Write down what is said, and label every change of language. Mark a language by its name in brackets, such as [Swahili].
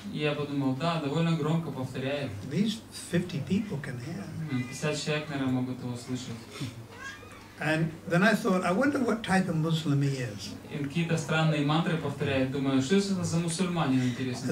[Russian] Я подумал, да, довольно громко повторяет. [English] These 50 people can hear. [Russian] 50 человек, наверное, могут его слышать. [English] And then I thought, I wonder what type of Muslim he is. [Russian] И какие-то странные мантры повторяет. Думаю, что это за мусульманин, интересно.